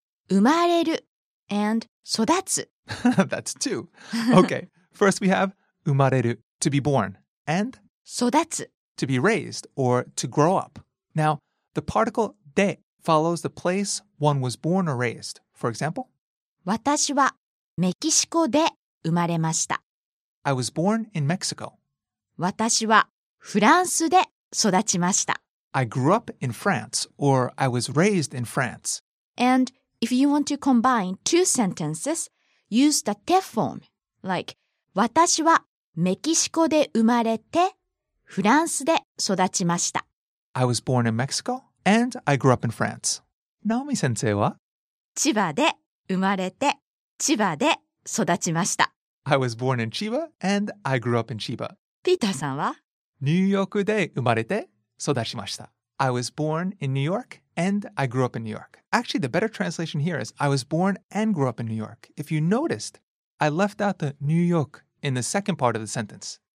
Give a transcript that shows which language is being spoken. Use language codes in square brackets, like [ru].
[ja] 生まれる and 育つ [en] That's two. Okay, first we have 生まれる, to be born, and [ja] 育つ, [en] to be raised or to grow up. Now, the particle で follows the place one was born or raised. For example, [ja] 私はメキシコで生まれました. [en] I was born in Mexico. [ja] 私はフランスで育ちました。 [en] I grew up in France, or I was raised in France. And if you want to combine two sentences, use the te form. [ja] Like, 私はメキシコで生まれて、フランスで育ちました。 [en] I was born in Mexico, and I grew up in France. Naomi-sensei は? [ja] 千葉で生まれて、千葉で育ちました。 [en] I was born in Chiba, and I grew up in Chiba. [ja] Peter さんは? ニューヨークで生まれて育ちました。 [en] I was born in New York and I grew up in New York. Actually, the better translation here is I was born and grew up in New York. If you noticed, I left out the New York in the second part of the sentence.